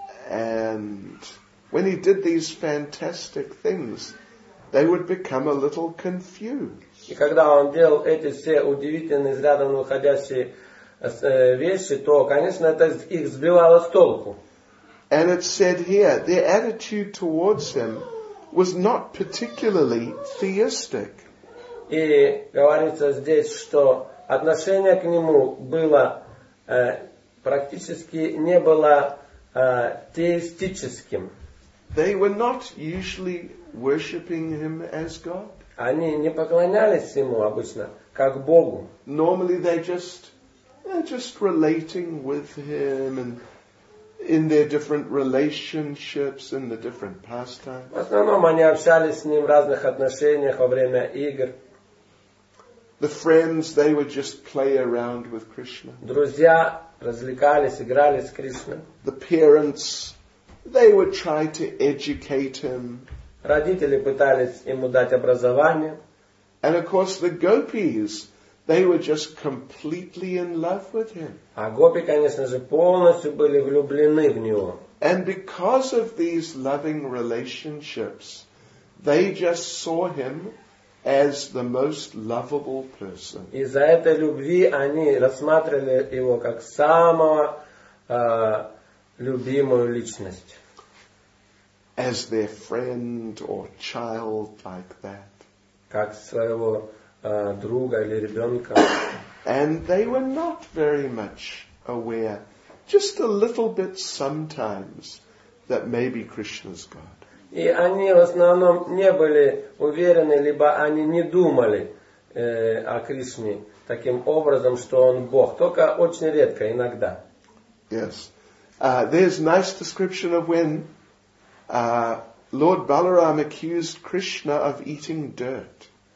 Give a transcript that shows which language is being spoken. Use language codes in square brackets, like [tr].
[en] And when he did these fantastic things, they would become a little confused. [ru] И когда он делал эти все удивительные, из ряда выходящие вещи, то, конечно, это их сбивало с толку. [en] And it said here, their attitude towards him was not particularly theistic. [ru] И говорится здесь, что отношение к нему было практически не было теистическим. [en] They were not usually worshipping him as God. [ru] Они не поклонялись ему обычно, как Богу. [en] Normally they just They're just relating with him and in their different relationships and the different pastimes. [ru] В основном они общались с ним в разных отношениях во время игр. [en] The friends, they would just play around with Krishna. [ru] Друзья развлекались, играли с Кришной. [en] The parents, they would try to educate him. [ru] Родители пытались ему дать образование. [en] And of course the gopis, they were just completely in love with him. [ru] А гопи, конечно же, полностью были влюблены в него. [en] And because of these loving relationships, they just saw him as the most lovable person. [ru] Из-за этой любви они рассматривали его как самого любимую личность. [en] As their friend or child like that. [ru] Как своего друга или ребенка. [en] And they were not very much aware, just a little bit sometimes, that maybe Krishna's God. [ru] И они в основном не были уверены, либо они не думали о Кришне таким образом, что он Бог. Только очень редко, иногда. [en] Yes. There's nice description of when Lord Balaram accused Krishna of eating dirt.